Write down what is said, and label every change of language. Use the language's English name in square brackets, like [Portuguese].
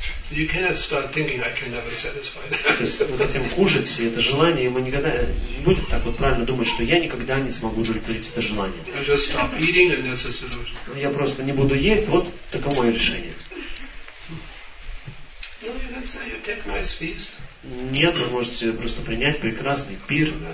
[English] You cannot start thinking I can never satisfy. [Russian] То есть вот этим кушать, и это желание, ему никогда не будет так вот правильно думать, что я никогда не смогу удовлетворить это желание. [English] I just stop eating and that's the solution. [Russian] Я просто не буду есть, вот таково мое решение. [English] No, you can say you take nice feast. [Russian] Нет, вы можете просто принять прекрасный пир.